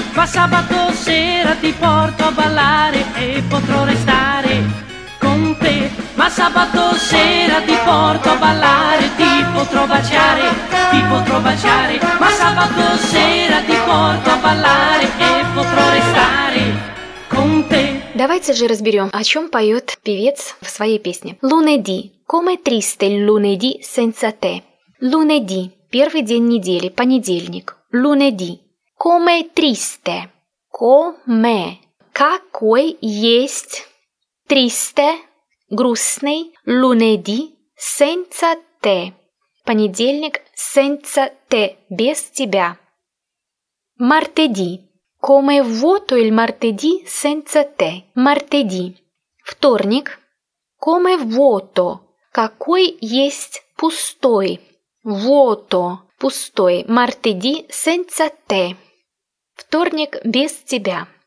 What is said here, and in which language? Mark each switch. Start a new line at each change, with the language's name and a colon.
Italian: Ma sabato sera ti porto a ballare e potrò restare con te. Ma sabato sera ti porto a ballare, ti potrò baciare, ti potrò baciare. Ma sabato sera ti porto a ballare e potrò restare con te.
Russian: Давайте же разберем, о чем поет певец в своей песне.
Italian: Lunedì, come triste lunedì senza te.
Russian: Lunedì, первый день недели, понедельник.
Italian: Lunedì, come triste. Come,
Russian: какой есть
Italian: triste, грустный, lunedì senza te.
Russian: Понедельник
Italian: senza te,
Russian: без тебя.
Italian: Martedì. Come vuoto il martedì senza te. Martedì. Вторник. Come vuoto.
Russian: Какой есть пустой. Vuoto. Пустой.
Italian: Martedì senza te.
Russian: Вторник без тебя.